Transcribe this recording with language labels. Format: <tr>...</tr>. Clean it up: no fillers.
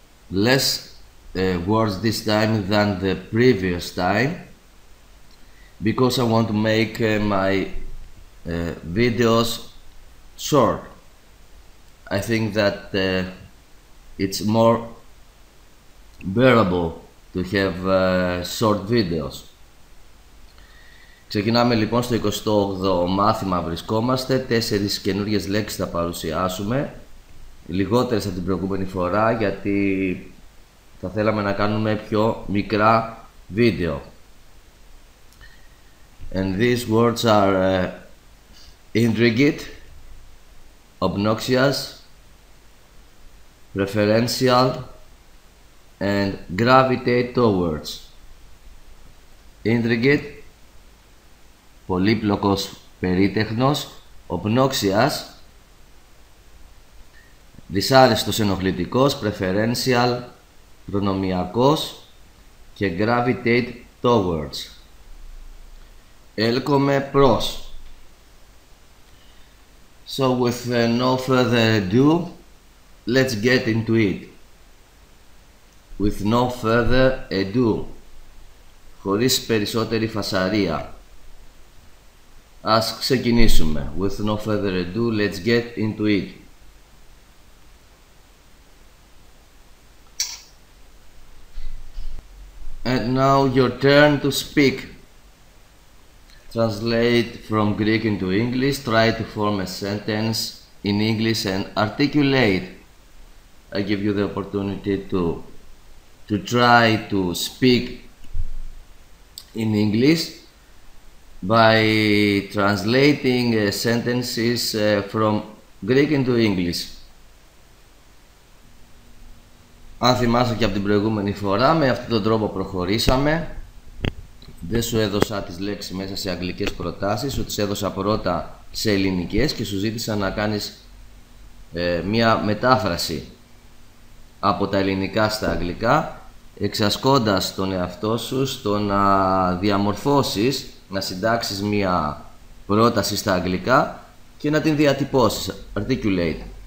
<en>Less words this time than the previous time because I want to make my videos short. I think that it's more bearable to have short videos.</en> <el>Ξεκινάμε λοιπόν στο 28ο μάθημα βρισκόμαστε. Τέσσερις καινούργιες λέξεις θα παρουσιάσουμε. Λιγότερες από την προηγούμενη φορά γιατί θα θέλαμε να κάνουμε πιο μικρά βίντεο.</el> <en>And these words are intricate, obnoxious, preferential and gravitate towards.</en> <el>Intricate, πολύπλοκος περίτεχνος, obnoxious, δυσάρεστος ενοχλητικός, preferential, προνομιακός και gravitate towards. Έλκομαι προς.</el> <en>So with no further ado, let's get into it. With no further ado,</en> <el>χωρίς περισσότερη φασαρία, ας ξεκινήσουμε.</el> <en>With no further ado, let's get into it. And now your turn to speak. Translate from Greek into English. Try to form a sentence in English and articulate. I give you the opportunity to try to speak in English by translating sentences from Greek into English.</en> <el>Αν θυμάσαι και από την προηγούμενη φορά, με αυτόν τον τρόπο προχωρήσαμε. Δεν σου έδωσα τις λέξεις μέσα σε αγγλικές προτάσεις, σου τις έδωσα πρώτα σε ελληνικές και σου ζήτησα να κάνεις μία μετάφραση από τα ελληνικά στα αγγλικά, εξασκώντας τον εαυτό σου στο να διαμορφώσεις, να συντάξεις μία πρόταση στα αγγλικά και να την διατυπώσεις, articulate.</el>